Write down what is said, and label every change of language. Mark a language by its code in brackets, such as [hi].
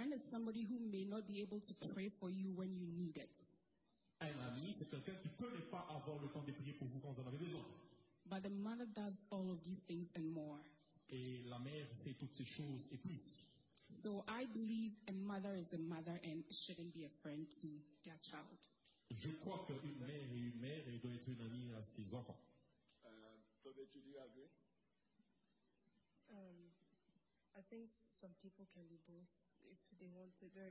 [en] somebody who may not be able to pray for you when you need it. [fr] Un ami, c'est quelqu'un qui peut ne pas avoir le temps de prier pour vous quand vous en avez besoin. [en] But the mother does all of these things and more. [fr] Et la mère fait toutes ces choses et plus. [en] So I believe a mother is a mother and shouldn't be a friend to their child. [fr] Je crois qu'une mère est une mère et doit être une amie à ses enfants. [en] I think some people can be both if they want to.